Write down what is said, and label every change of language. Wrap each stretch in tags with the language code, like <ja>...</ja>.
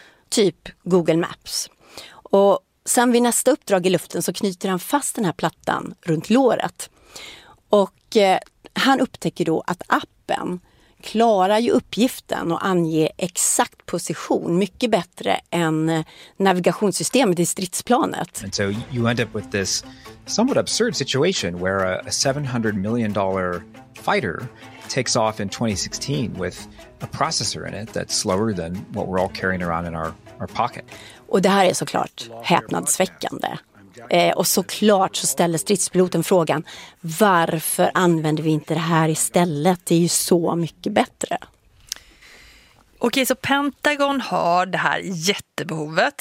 <sv>Typ Google Maps. Och sen vid nästa uppdrag i luften så knyter han fast den här plattan runt låret. Och han upptäcker då att appen klarar ju uppgiften och anger exakt position mycket bättre än navigationssystemet i stridsplanet.</sv> <en>And so you end up with this somewhat absurd situation where a $700 million fighter takes off in 2016 with a processor in it that's slower than what we're all carrying around in our pocket.</en> <sv>Och det här är såklart häpnadsväckande. Och såklart så ställer stridspiloten frågan, varför använder vi inte det här istället? Det är ju så mycket bättre. Okej, så Pentagon har det här jättebehovet.</sv>